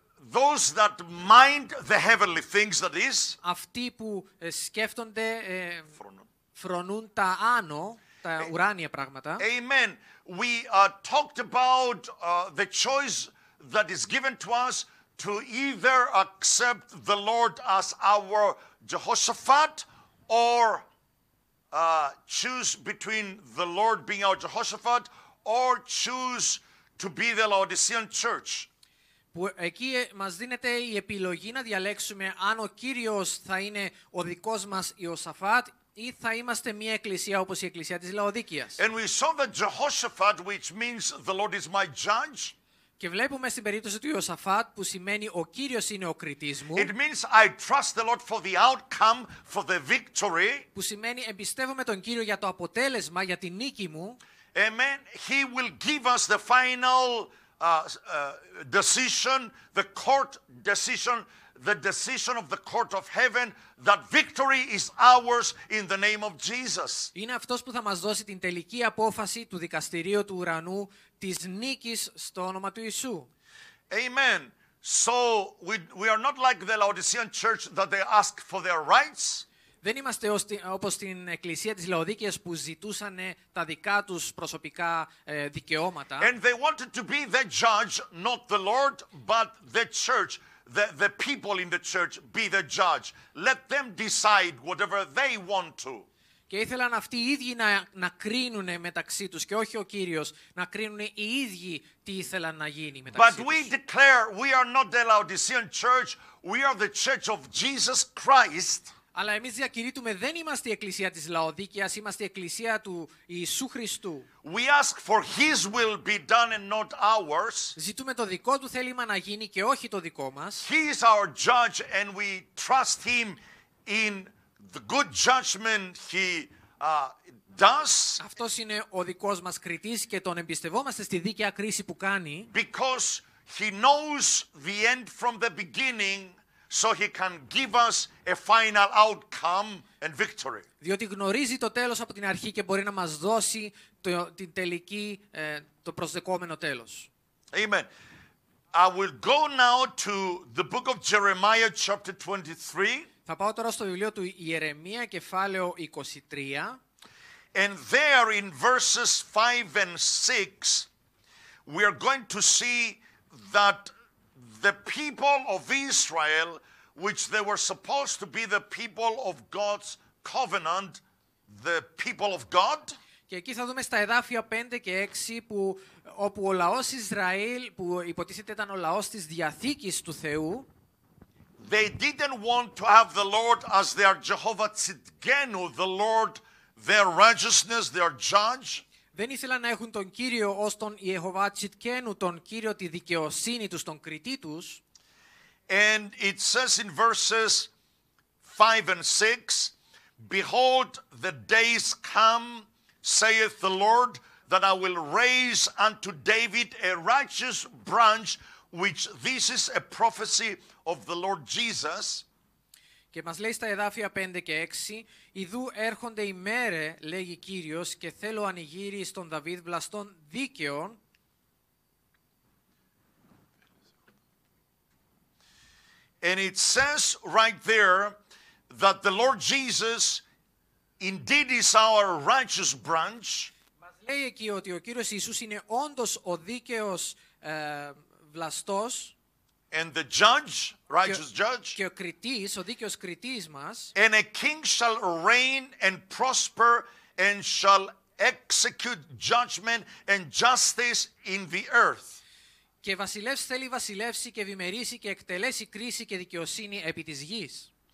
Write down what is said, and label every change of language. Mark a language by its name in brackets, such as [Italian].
[English] those that mind the heavenly things, that is, [Greek] αυτοί που σκέφτονται, φρονούν τα άνω, τα ουράνια πράγματα. [English] Amen. We talked about the choice that is given to us to either accept the Lord as our Jehoshaphat or choose between the Lord being our Jehoshaphat or choose to be the Laodicean church. [Greek] Που εκεί μας δίνεται η επιλογή να διαλέξουμε αν ο Κύριος θα είναι ο δικός μας Ιωσαφάτ ή θα είμαστε μια εκκλησία όπως η εκκλησία της Λαοδίκειας. [English] And we saw that Jehoshaphat, which means the Lord is my judge. [Greek] Και βλέπουμε στην περίπτωση του Ιωσαφάτ που σημαίνει ο Κύριος είναι ο κριτής μου. [English] It means I trust the Lord for the outcome, for the victory. [Greek] Που σημαίνει εμπιστεύομαι τον Κύριο για το αποτέλεσμα, για την νίκη μου. [English] Amen. He will give us the final decision, the court decision the decision of the court of heaven that victory is ours in the name of Jesus. [Greek] Είναι αυτός που θα μας δώσει την τελική απόφαση του δικαστηρίου του ουρανού της νίκης στο όνομα του Ιησού. [English] Amen. So we are not like the Laodicean church that they ask for their rights. [Greek] Δεν είμαστε όπως στην εκκλησία της Λαοδίκειας που ζητούσαν τα δικά τους προσωπικά δικαιώματα. [English] And they wanted to be the judge, not the Lord, but the church. The people in the church be the judge. Let them decide whatever they want to. [Greek] Και ήθελαν αυτοί οι ίδιοι να κρίνουν μεταξύ τους και όχι ο Κύριος, να κρίνουν οι ίδιοι τι ήθελαν να γίνει μεταξύ [English] But we declare we are not the Laodicean church, we are the church of Jesus Christ. [Greek] Αλλά εμείς διακηρύττουμε δεν είμαστε η εκκλησία της Λαοδίκειας, είμαστε η εκκλησία του Ιησού Χριστού. [English] We ask for his will be done and not ours. [Greek] Ζητούμε το δικό του θέλημα να γίνει και όχι το δικό μας. [English] He is our judge and we trust him in the good judgment he does. [Greek] Αυτός είναι ο δικός μας κριτής και τον εμπιστευόμαστε στη δίκαια κρίση που κάνει. [English] Because he knows the end from the beginning. So he can give us a final outcome and victory. [Greek] Διότι γνωρίζει το τέλος από την αρχή και μπορεί να μας δώσει την τελική το προσδεκόμενο τέλος. [English] Amen. I will go now to the book of Jeremiah chapter 23. [Greek] Θα πάω τώρα στο βιβλίο του Ιερεμία κεφάλαιο 23. [English] And there in verses 5 and 6 we are going to see that the people of Israel, which they were supposed to be the people of God's covenant, the people of God. [Greek] Και εκεί θα δούμε στα εδάφια 5 και 6 που όπου ο λαός Ισραήλ, που υποτίθεται ήταν ο λαός της Διαθήκης του Θεού, [English] they didn't want to have the Lord as their Jehovah Tzidkenu, the Lord, their righteousness, their judge. [Greek] Δεν ήθελαν να έχουν τον Κύριο ως τον Ιεχωβά Τσιτκένου, τον Κύριο τη δικαιοσύνη τους, τον κριτή τους. [English] And it says in verses 5 and 6, Behold, the days come, saith the Lord, that I will raise unto David a righteous branch, which this is a prophecy of the Lord Jesus. [Greek] Και μας λέει στα εδάφια 5 και 6, «Ιδού έρχονται οι μέρε, λέγει Κύριος, και θέλω ανηγύρι στον Δαβίδ βλαστών δίκαιων». [English] And it says right there that the Lord Jesus indeed is our righteous branch. [Greek] Μας λέει εκεί ότι ο Κύριος Ιησούς είναι όντως ο δίκαιος βλαστός. [English] And the judge, righteous judge, [Greek] και ο κριτής, ο δίκαιος κριτής μας, [English] and a king shall reign and prosper and shall execute judgment and justice in the earth. [Greek] Και βασιλεύς θέλει βασιλεύσει και ευημερήσει και εκτελέσει κρίση και δικαιοσύνη επί της γης.